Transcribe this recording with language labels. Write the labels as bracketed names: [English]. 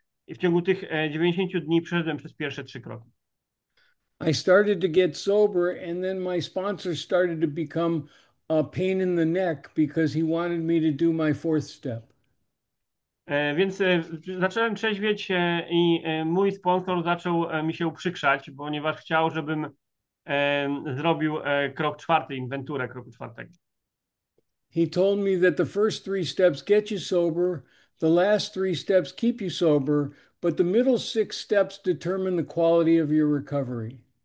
[Polish] I w ciągu tych 90 dni przeszedłem przez pierwsze trzy kroki. [English] I started to get sober, and then my sponsor started to become a pain in the neck because he wanted me to do my fourth step. [Polish] Więc zacząłem trzeźwieć i mój sponsor zaczął mi się uprzykrzać, ponieważ chciał, żebym zrobił krok czwarty, inwenturę kroku czwartego. [English] He told me that the first three steps get you sober, the last three steps keep you sober, but the middle six steps determine the quality of your recovery.